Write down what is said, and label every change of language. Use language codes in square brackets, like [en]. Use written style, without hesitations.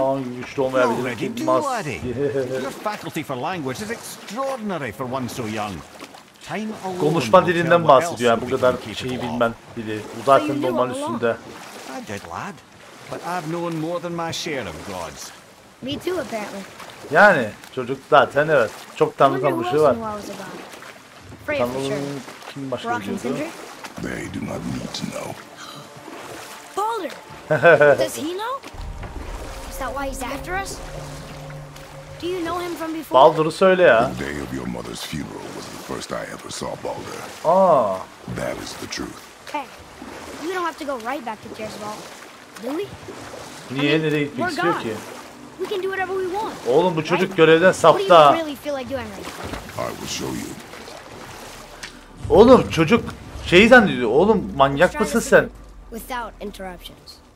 [en] Oh, you still may have your faculty for language is extraordinary for one so young. Time alone. [tr] Konuşma dilinden bahsediyor yani bu kadar şeyi bilmen bile uzaktan normal üstünde. [en] I did, lad. But I've known more than my share of gods. Me too, apparently. [tr] Yani çocuk zaten evet çok tanrı tanrışı var. Kim başlıyordu? [en] They do not need to know. Baldur. Does he know? Is that why he's after us? Do you know him from before? [tr] Baldur'u söyle ya. [en] The day of your mother's funeral was the first I ever saw Baldur. Ah. That is the truth. Hey, you don't have to go right back to Tearsvall, do we? [tr] Niye nereye gitmek istiyor ki? [en] We can do whatever we want. [tr] Oğlum bu çocuk görevden saptı. [en] What do you really feel like doing right now? I will show you. [tr] Oğlum çocuk şeyi zannediyor. Oğlum manyak mısın sen? [en] Without interruptions.